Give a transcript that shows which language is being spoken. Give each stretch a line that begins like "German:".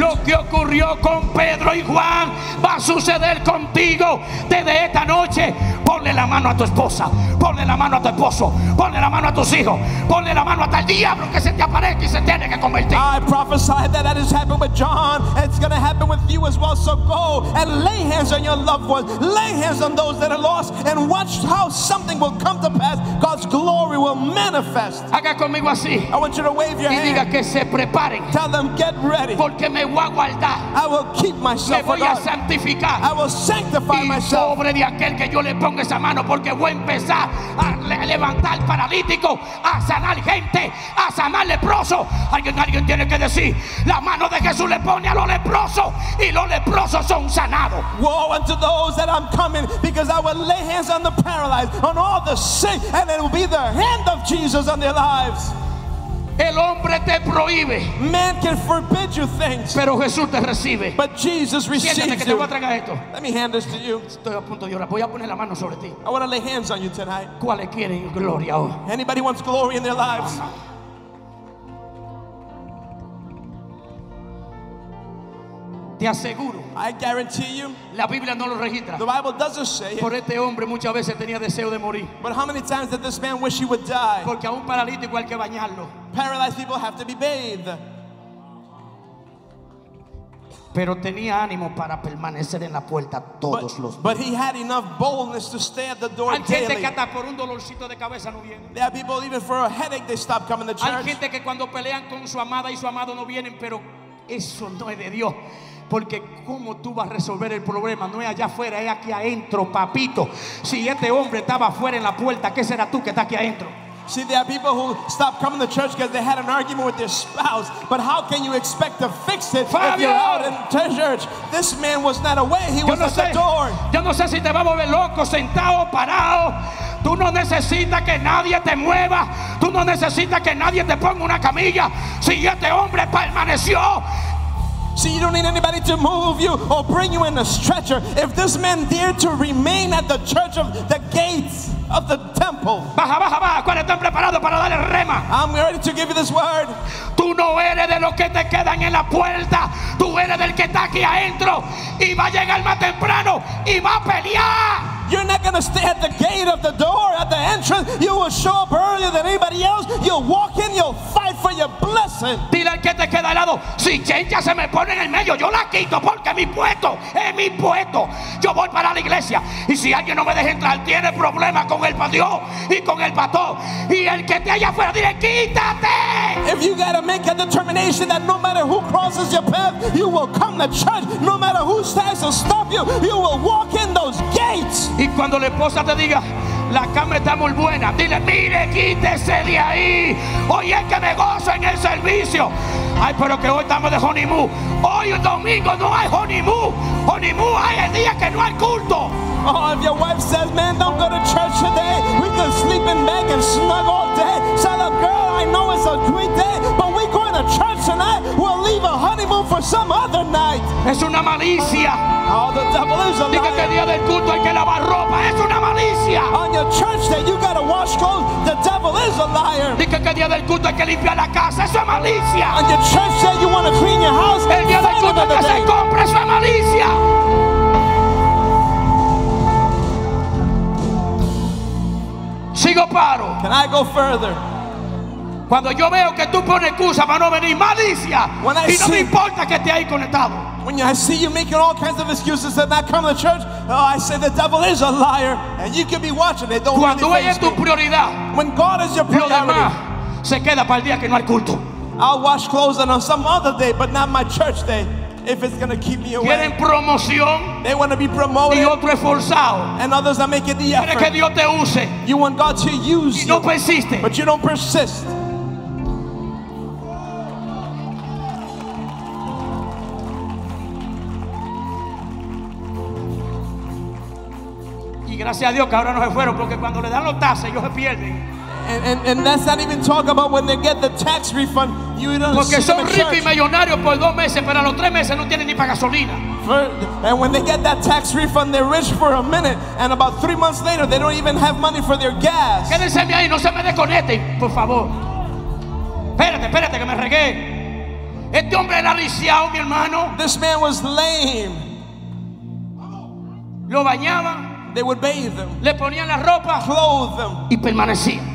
Spanish: Lo que ocurrió con Pedro y Juan va a suceder contigo desde esta noche. Ponle la mano a tu esposa. Ponle la mano a tu esposo. Ponle la mano a tus hijos. Ponle la mano hasta el diablo que se te aparezca y se tiene que convertir.
English: I prophesy that has happened with John. It's going to happen with you as well. So go and lay hands on your loved ones. Lay hands on those that are lost and watch how something will come to pass. God's glory will manifest.
Spanish: Haga conmigo así.
English: I want you to wave your
Spanish: y
English: hand.
Spanish: Diga que se prepare.
English: Tell them, get ready.
Spanish: Porque me voy a guardar.
English: I will keep myself for God.
Spanish: Santificar.
English: I will sanctify myself.
Spanish: Sobre de aquel que yo le ponga esa mano, porque voy a empezar a levantar paralítico, a sanar gente, a sanar leproso. Alguien tiene que decir, la mano de Jesús le pone a los leprosos y los leprosos son sanados.
English: Woe unto those that I'm coming, because I will lay hands on the paralyzed, on all the sick, and it will be the hand of Jesus on their lives.
Spanish: El hombre te prohíbe.
English: Man can forbid you things.
Spanish: Pero Jesús te recibe.
English: But Jesus receives you.
Spanish: Siéntate que te voy a traer esto.
English: Let me hand this to you.
Spanish: Estoy a punto de orar. Voy a poner la mano sobre ti.
English: I want to lay hands on you tonight.
Spanish: ¿Cuáles quieren gloria hoy?
English: Anybody wants glory in their lives?
Spanish: Te aseguro.
English: I guarantee you.
Spanish: La Biblia no lo registra.
English: The Bible doesn't say it.
Spanish: Por este hombre muchas veces tenía deseo de morir.
English: But how many times did this man wish he would die?
Spanish: Porque a un paralítico hay que bañarlo.
English: Paralyzed people have to be bathed.
Spanish: Pero tenía ánimo para permanecer en la puerta todos los días.
English: But he had enough boldness to stay at the door daily.
Spanish: Hay gente que hasta por un dolorcito de cabeza no viene.
English: There are people even for a headache they stop coming to church.
Spanish: Hay gente que cuando pelean con su amada y su amado no vienen, pero eso no es de Dios. Porque cómo tú vas a resolver el problema, no es allá afuera, es aquí adentro, papito. Si este hombre estaba afuera en la puerta, ¿qué será tú que estás aquí adentro?
English: See, there are people who stop coming to church because they had an argument with their spouse. But how can you expect to fix it, Fabio, if you're out in church? This man was not away. He was at the door.
Spanish: Yo no sé si te va a mover loco, sentado, parado. Tú no necesitas que nadie te mueva. Tú no necesitas que nadie te ponga una camilla. Si este hombre permaneció.
English: See, you don't need anybody to move you or bring you in a stretcher. If this man dared to remain at the church of the gates of the temple.
Spanish: Baja, baja, baja. ¿Cuál están preparados para darle rema?
English: I'm ready to give you this word.
Spanish: Tú no eres de los que te quedan en la puerta. Tú eres del que está aquí adentro y va a llegar más temprano y va a pelear.
English: You're not going to stay at the gate of the door, at the entrance. You will show up earlier than anybody else. You'll walk in, you'll fight for your blessing.
Spanish: Dile al que te queda al lado, si chencha se me pone en el medio, yo la quito porque mi puesto es mi puesto. Yo voy para la iglesia. Y si alguien no me deja entrar, tiene problemas con el pastor y con el pastor. Y el que esté allá afuera, dile, quítate.
English: If you got to make a determination that no matter who crosses your path, you will come to church. No matter who tries to stop you, you will walk in those gates.
Spanish: Y cuando la esposa te diga, la cama está muy buena, dile, mire, quítese de ahí. Hoy es que me gozo en el servicio. Ay, pero que hoy estamos de honeymoon. Hoy domingo no hay honeymoon. Honeymoon hay el día que no hay culto.
English: Oh, if your wife says, man, don't go to church today. We can sleep in bed and snug all day. Tell her, girl, I know it's a great day, but we're going to church tonight. We'll leave a honeymoon for some other night.
Spanish: Es una malicia.
English: Oh, the devil is a liar.
Spanish: Que día del culto hay que lavar ropa. Es una malicia.
English: On your church day, you gotta wash clothes. The devil is a liar.
Spanish: Dice que día del culto hay que limpiar la casa. Eso es malicia.
English: On your church day, you wanna clean your house.
Spanish: El día del culto que se compra, eso es malicia. Sigo paro.
English: Can I go further?
Spanish: Cuando yo veo que tú pones excusa para no venir, malicia.
English: When I
Spanish: y no
English: see,
Spanish: me importa que esté ahí conectado.
English: When I see you making all kinds of excuses and not coming to church, oh, I say the devil is a liar. And you can be watching it. Don't
Spanish: cuando
English: really
Spanish: es tu prioridad,
English: when God is your priority,
Spanish: demás, se queda para el día que no hay culto.
English: I'll wash clothes on some other day, but not my church day. If it's going to keep me away.
Spanish: Quieren promoción,
English: they want to be promoted.
Spanish: Y otro esforzado,
English: and others are making the effort.
Spanish: Quieren que Dios te use.
English: You want God to use
Spanish: y no
English: you.
Spanish: Persiste.
English: But you don't persist.
Spanish: Y gracias a Dios que ahora no se fueron, porque cuando le dan los taxes ellos se pierden.
English: And that's not even talk about when they get the tax refund. You don't
Spanish: porque
English: see
Spanish: son ricos y millonarios por dos meses, pero a los tres meses no tienen ni para gasolina.
English: And when they get that tax refund, they're rich for a minute, and about 3 months later they don't even have money for their gas.
Spanish: Quédense ahí, no se me desconecten, por favor. Espérate que me regué. Este hombre era lisiado, mi hermano.
English: This man was lame.
Spanish: Lo bañaban.
English: They would bathe them.
Spanish: Le ponían la ropa.
English: Clothe them.
Spanish: Y permanecía.